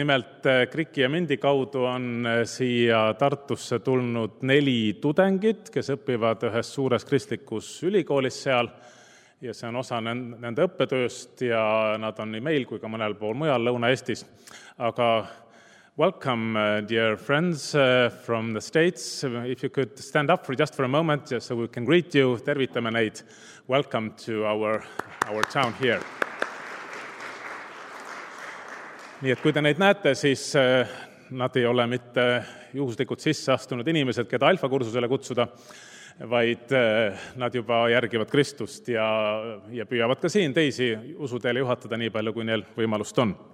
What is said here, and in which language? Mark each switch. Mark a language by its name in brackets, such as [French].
[Estonian] Nimelt Kriki ja Mindi kaudu on siia Tartusse tulnud 4 tudengit, kes õpivad ühes suures kristlikus ülikoolis seal ja see on osa nende õppetööst ja nad on nii meil kui ka mõnel pool mujal Lõuna-Eestis. [English] Aga welcome, dear friends from the States. If you could stand up just for a moment, just so we can greet you. [Estonian] Tervitame neid. [English] Welcome to our town here. [Estonian] Nii et kui te neid näete, siis nad ei ole mitte juhuslikud sisse astunud inimesed, keda alfakursusele kutsuda, vaid nad juba järgivad Kristust ja püüavad ka siin teisi usuteele juhatada nii palju, kui neil võimalust on.